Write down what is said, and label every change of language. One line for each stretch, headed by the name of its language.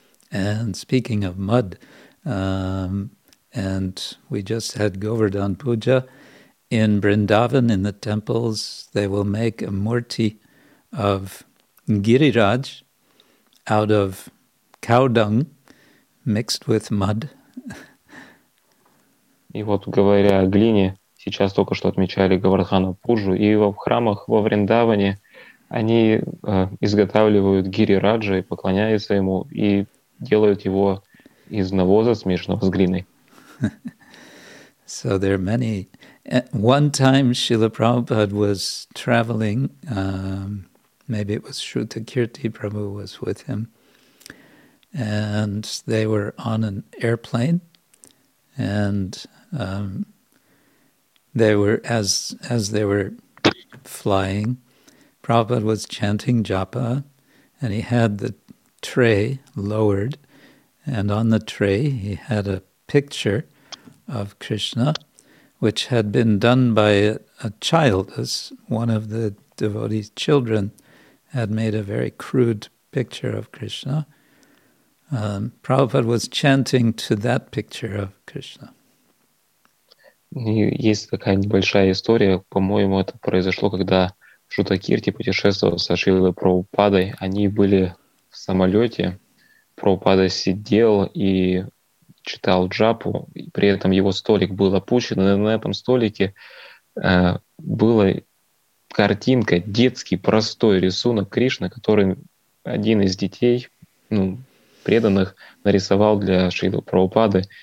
English: And speaking of mud, and we just had Govardhan Puja in Vrindavan, in the temples, they will make a murti of Giriraj out of cow dung mixed with mud.
Russian: И вот, говоря о глине, сейчас только что отмечали Говардхана Пуджу, и в храмах во Вриндаване они изготавливают Гирираджа и поклоняются ему, и делают его из навоза, смешанного с глиной.
English: So there are many. One time Srila Prabhupada was traveling, maybe it was Shruta Kirti Prabhu was with him, and they were on an airplane, and they were, as they were flying, Prabhupada was chanting japa, and he had the tray lowered, and on the tray he had a picture of Krishna, which had been done by a child, as one of the devotee's children had made a very crude picture of Krishna. Prabhupada was chanting to that picture of Krishna.
Russian: Есть такая небольшая история, по-моему, это произошло, когда Шрута Кирти путешествовал со Шрилой Прабхупадой. Они были в самолете, Прабхупада сидел и читал джапу, при этом его столик был опущен, и на этом столике была картинка, детский простой рисунок Кришны, который один из детей, ну, преданных, нарисовал для Шрилы Прабхупады.